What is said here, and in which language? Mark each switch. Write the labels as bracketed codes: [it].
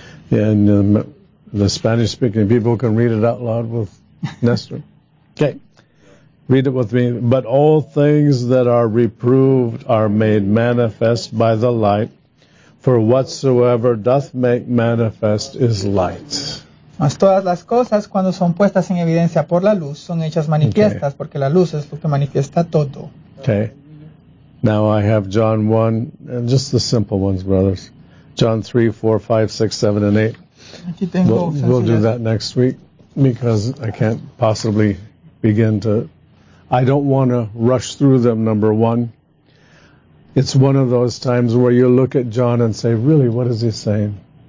[en] Yeah, and the Spanish-speaking people can read it out loud with Nestor. Okay, read it with me. But all things that are reproved are made manifest by the light, for whatsoever doth make manifest is light. [es] Mas todas las cosas, cuando son puestas en evidencia por la luz, son hechas manifiestas, okay. Porque la luz es lo que manifiesta todo. [en] Okay. Now I have John 1, and just the simple ones, brothers. John 3, 4, 5, 6, 7, and 8. We'll do that next week, because I can't possibly begin to... I don't want to rush through them, number one. It's one of those times where you look at John and say, really, what is he saying?